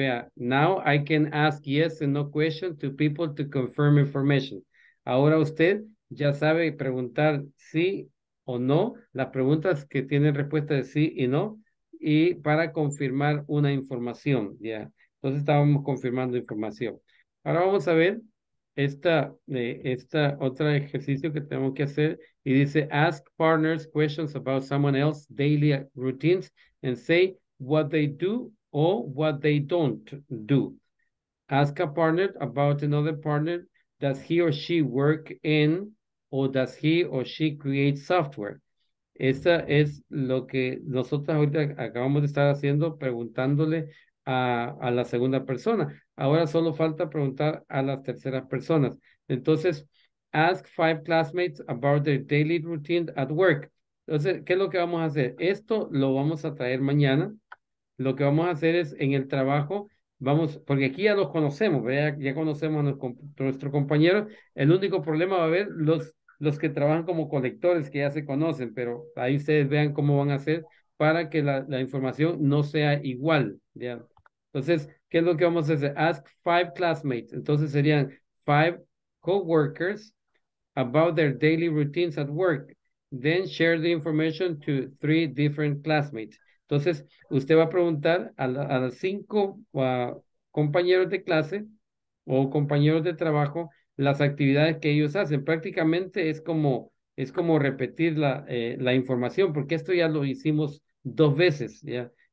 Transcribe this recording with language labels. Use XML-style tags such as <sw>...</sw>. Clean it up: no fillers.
<es>Vea,</es> <en>now I can ask yes and no question to people to confirm information.</en> <es>Ahora usted ya sabe preguntar sí o no, las preguntas que tienen respuesta de sí y no, y para confirmar una información, ¿ya?</es> <en>Yeah.</en> <es>Entonces estábamos confirmando información. Ahora vamos a ver esta otra ejercicio que tenemos que hacer, y dice,</es> <en>ask partners questions about someone else's daily routines and say what they do or what they don't do. Ask a partner about another partner. Does he or she work in, or does he or she create software?</en> <es>Esta es lo que nosotros ahorita acabamos de estar haciendo, preguntándole a la segunda persona. Ahora solo falta preguntar a las terceras personas. Entonces,</es> <en>ask five classmates about their daily routine at work.</en> <es>Entonces, ¿qué es lo que vamos a hacer? Esto lo vamos a traer mañana. Lo que vamos a hacer es en el trabajo... Vamos, porque aquí ya los conocemos, ¿verdad? Ya conocemos a nuestro compañero. El único problema va a haber los que trabajan como colectores, que ya se conocen, pero ahí ustedes vean cómo van a hacer para que la información no sea igual, ¿ya? Entonces, ¿qué es lo que vamos a hacer?</es> <en>Ask five classmates.</en> <es>Entonces serían</es> <en>five coworkers about their daily routines at work. Then share the information to three different classmates.</en> <es>Entonces, usted va a preguntar a las cinco compañeros de clase o compañeros de trabajo las actividades que ellos hacen. Prácticamente es como repetir la información, porque esto ya lo hicimos dos veces, ¿ya?</es>